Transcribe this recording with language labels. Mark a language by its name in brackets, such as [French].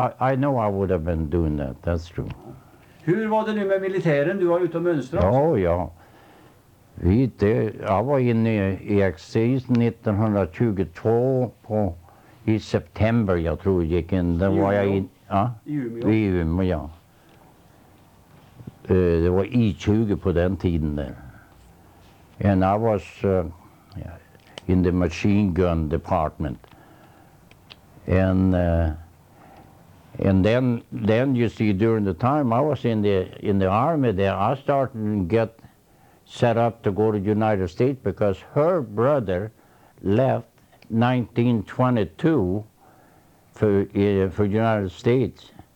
[English] I know I would have been doing that, that's true. [Swedish] Hur var det nu med militären? Du var ute och mönstrade. Ja. [English] I was in the exercise 1922 in September, I think. Then was I in Umeå, ja. [Swedish] Det var I-20 på den tiden där. [English] And I was in the machine gun department. And then you see during the time I was in the army there, I started to get set up to go to the United States because her brother left 1922 for United States.